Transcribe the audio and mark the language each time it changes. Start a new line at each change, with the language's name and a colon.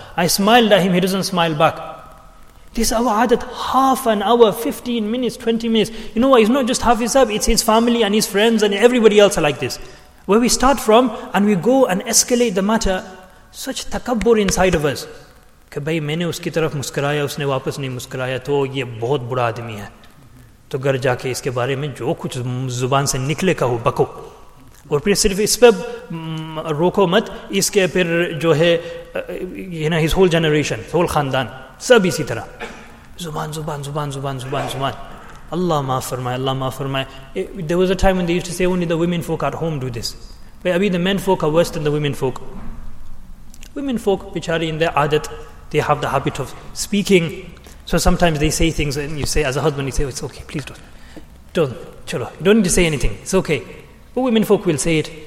English: I smiled at him, he doesn't smile back. This is our adat, half an hour, 15 minutes, 20 minutes. You know what, it's not just Hafizab, it's his family and his friends and everybody else are like this. Where we start from and we go and escalate the matter, such takabbur inside of us.
Urdu: کہ بھئی میں نے اس کی طرف مسکرایا, اس نے واپس نہیں مسکرایا, تو یہ بہت برا آدمی ہے, تو گھر جا کے اس کے بارے میں جو کچھ زبان سے نکلے کہو, بکو. اور پھر صرف اس پہ روکو مت, اس کے پھر جو ہے, یہ نا,
English: his whole generation, whole
Urdu: خاندان, سب اسی طرح زبان زبان زبان زبان زبان زبان. Allah maaf farmaye, Allah maaf farmaye.
English: There was a time when they used to say only the women folk at home do this. But
Urdu: abhi
English: the men folk are worse than the women folk. Women folk, which are in their adat, they have the habit of speaking. So sometimes they say things and you say, as a husband, you say, oh, it's okay, please don't. don't,
Urdu: chalo,
English: you don't need to say anything. It's okay. But women folk will say it.